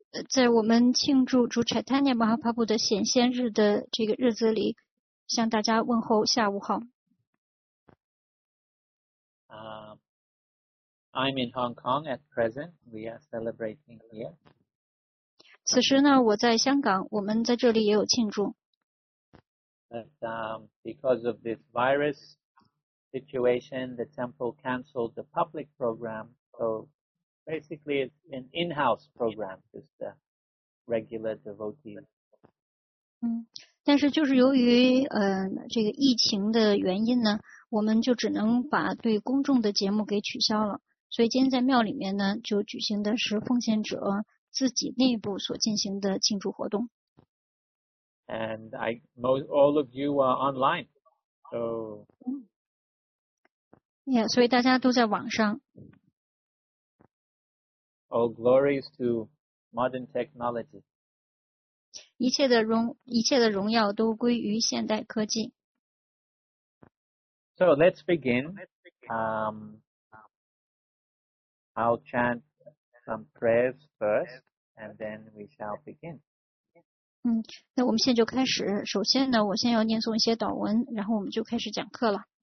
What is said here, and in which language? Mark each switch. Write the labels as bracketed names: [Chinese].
[Chinese] 在我们庆祝主柴坦尼马哈帕布的显现日的这个日子里，向大家问候下午好。 [English] I'm in Hong Kong at present. We are celebrating here. [Chinese] 此时呢，我在香港，我们在这里也有庆祝。 [English] But, because of this virus situation, the temple canceled the public program, so basically, it's an in-house program, just a regular devotee. [Chinese] 但是就是由于这个疫情的原因呢，我们就只能把对公众的节目给取消了。所以今天在庙里面呢，就举行的是奉献者自己内部所进行的庆祝活动。 [English] And I, most, all of you are online, so. [Chinese] Yeah, 所以大家都在网上。 [English] All glories to modern technology. [Chinese] 一切的荣耀都归于现代科技。 [English] So let's begin. I'll chant some prayers first, and then we shall begin. [Chinese] 那我们现在就开始。首先呢，我先要念诵一些祷文，然后我们就开始讲课了。